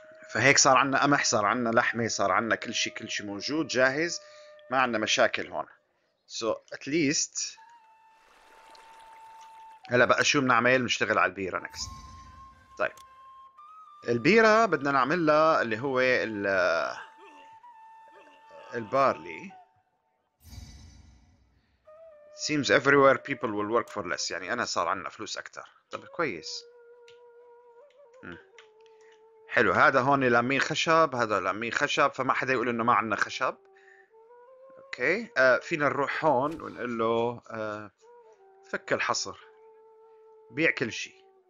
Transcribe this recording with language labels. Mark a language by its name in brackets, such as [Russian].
[Arabic] فهيك صار عنا قمح، صار عنا لحمة، صار عنا كل شيء، كل شيء موجود جاهز، ما عنا مشاكل هون. [English] So at least [Arabic] هلا بقى شو بنعمل؟ بنشتغل على البيرة [English] next. [Arabic] طيب البيرة بدنا نعملها اللي هو ال البارلي. [English] seems everywhere people will work for less. [Arabic] يعني أنا صار عنا فلوس أكتر. طب كويس. حلو. هذا هون لامين خشب، هذا لامين خشب، فما حدا يقول إنه ما عنا خشب. أوكي. فينا نروح هون ونقول له فك الحصر، بيع كل شيء.